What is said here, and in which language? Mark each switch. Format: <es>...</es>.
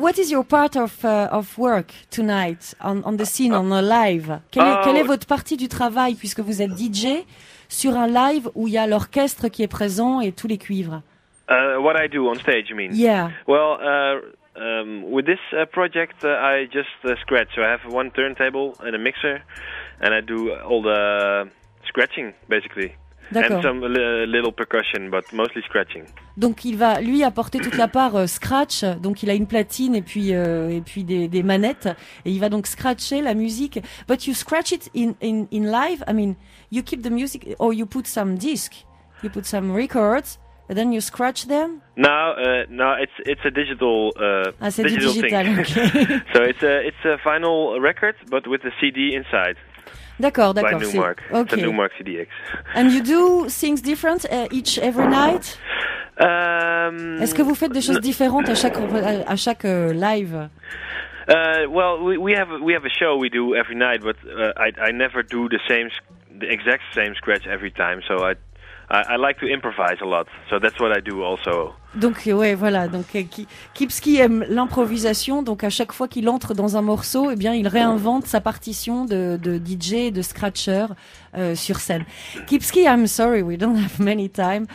<en>What is your part of work tonight on the scene, on a live?</en> <fr>Quelle est votre partie du travail, puisque vous êtes DJ, sur un live où il y a l'orchestre qui est présent et tous les cuivres?</fr> <en>What I do on stage, you mean? Yeah. Well, With this project, I just scratch. So I have one turntable and a mixer, and I do all the scratching, basically.</en> <fr>D'accord.</fr> <en>And some little percussion, but mostly scratching.</en> <fr>Donc il va lui apporter toute la part scratch, donc il a une platine et puis des manettes, et il va donc scratcher la musique.</fr> <en>But you scratch it in live, I mean, you keep the music, or you put some disc, you put some records, and then you scratch them? No, it's a digital thing.</en> <fr>Ah, c'est digital,</fr> <en>thing. Okay. So it's a final record, but with a CD inside.</en> <fr>D'accord.</fr> <en>By Newmark. Okay. It's a Newmark CDX. And you do things different each every night?</en> <fr>Est-ce que vous faites des choses différentes à chaque live?</fr> <en>Well, we have a show we do every night, but I never do the exact same scratch every time. So I like to improvise a lot. So that's what I do also.</en> <fr>Donc ouais, voilà. Donc Kipski aime l'improvisation. Donc à chaque fois qu'il entre dans un morceau, eh bien il réinvente sa partition de DJ, de scratcher sur scène.</fr> <en>Kipski, I'm sorry, we don't have many time,</en>